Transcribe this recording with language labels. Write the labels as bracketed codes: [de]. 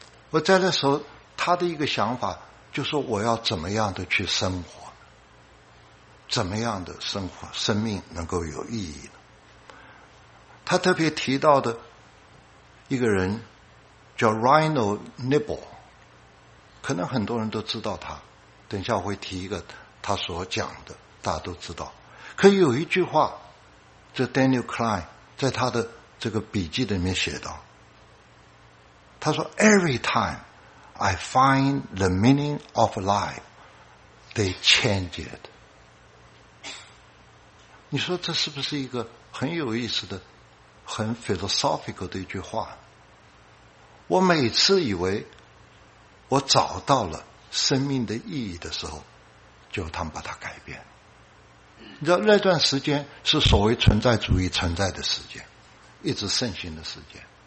[zh] 我在那时候他的一个想法就是，我要怎么样的去生活，怎么样的生活生命能够有意义呢？他特别提到的一个人叫 Rhino Nibble， 可能很多人都知道他，等一下我会提一个他所讲的大家都知道。可有一句话，这 Daniel Klein 在他的这个笔记里面写到，他说 [en] Every time I find the meaning of life, they change it。 [zh] 你说这是不是一个很有意思的很 philosophical 的一句话？我每次以为我找到了生命的意义的时候，就他们把它改变。你知道那段时间是所谓存在主义存在的时间，一直盛行的时间。